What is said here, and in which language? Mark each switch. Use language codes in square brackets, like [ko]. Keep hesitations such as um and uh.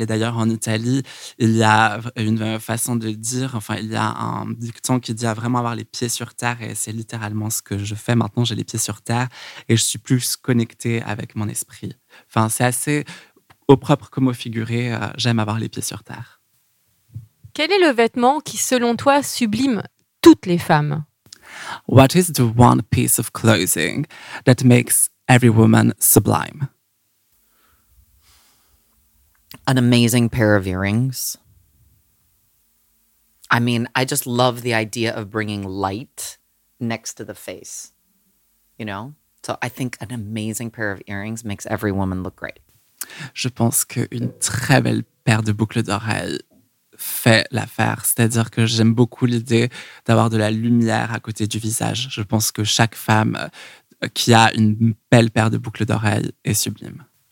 [fr] Et d'ailleurs, en Italie, il y a une façon de le dire, enfin, il y a un dicton qui dit à vraiment avoir les pieds sur terre. Et c'est littéralement ce que je fais maintenant. J'ai les pieds sur terre et je suis plus connectée avec mon esprit. Enfin, c'est assez au propre comme au figuré. Euh, J'aime avoir les pieds sur terre. Quel est le vêtement qui, selon toi, sublime toutes les femmes [en] What is the one piece of clothing that makes every woman sublime? An amazing pair of earrings. I mean, I just love the idea of bringing light next to the face, you know? So I think an amazing pair of earrings makes every woman look great. [fr] Je pense que une très belle paire de boucles d'oreilles fait l'affaire. C'est-à-dire que j'aime beaucoup l'idée d'avoir de la lumière à côté du visage. Je pense que chaque femme qui a une belle paire de boucles d'oreilles est sublime.